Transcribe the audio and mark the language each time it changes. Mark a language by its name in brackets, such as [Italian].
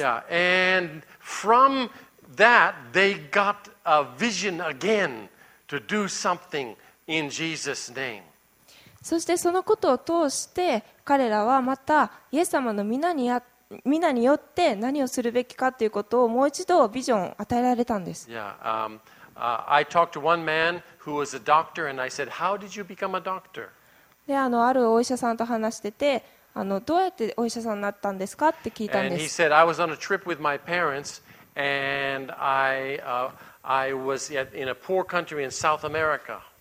[English] Yeah, and from that they got a vision again to do something in Jesus' name. [Japanese] そしてそのことを通して彼らはまたイエス様の皆によって何をするべきかということをもう一度ビジョンを与えられたんです。 [English] Yeah, I talked to one man who was a doctor and I said, how did you become a doctor? [Japanese] で、あるお医者さんと話してて、どうやってお医者さんになったんですかって聞いたんです。 [English] And he said, I was on a trip with my parents and I was in a poor country in South America.